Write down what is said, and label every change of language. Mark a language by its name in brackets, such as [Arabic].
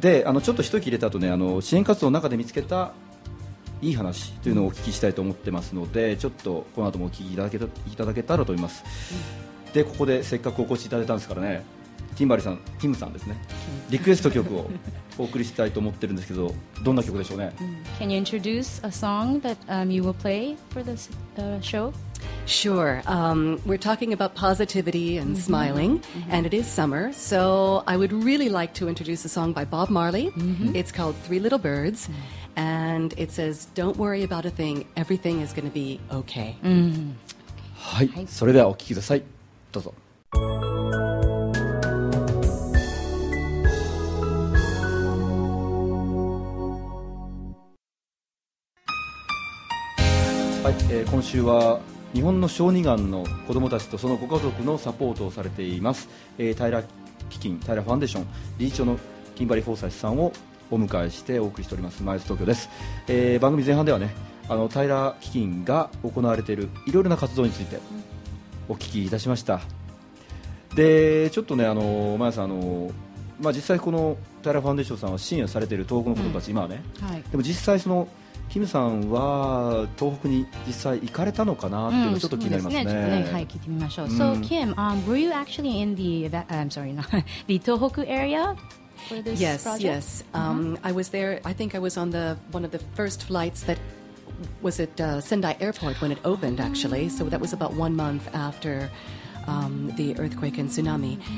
[Japanese] で、あのちょっと一息入れた後ね、あの支援活動の中で見つけたいい話というのをお聞きしたいと思ってますので、ちょっとこの後もお聞きいただけたらと思います、うん、でここでせっかくお越しいただいたんですからね、ティンバリさん、ティムさんですね、リクエスト曲をお送りしたいと思ってるんですけど、どんな曲でしょうね。 [English] Can you introduce a song that、you will play for this、show? Sure.、we're talking about positivity and smiling,、mm-hmm. and it is summer, so I would really like to introduce a song by Bob Marley.、Mm-hmm. It's called Three Little Birds,、mm-hmm. and it says, don't worry about a thing, everything is going to be okay.、 Mm-hmm. [Japanese] はい、はい、それではお聞きください。どうぞ。はい、今週は日本の小児がんの子どもたちとそのご家族のサポートをされています、タイラ基金、タイラファンデーション理事長のキンバリー・フォーサイスさんをお迎えしてお送りしております、マイズ東京です。番組前半ではね、あのタイラ基金が行われているいろいろな活動についてお聞きいたしました。でちょっとね、あのマヤさん、あの、まあ、実際このタイラファンデーションさんは支援されている東北の子どもたち、うん、今はね、はい、でも実際そのキムさんは東北に実際行かれたのかなっていうのがちょっと気になりますね。うん、そうですね。ちょっとね、はい、聞いてみましょう。 [English] うん、so Kim,、were you actually in the, I'm sorry, not, the 東北 area for this yes, project? Yes, yes.、Mm-hmm. I was there. I think I was on the one of the first flights that was at、Sendai Airport when it opened, actually. So that was about 1 month after、the earthquake and tsunami.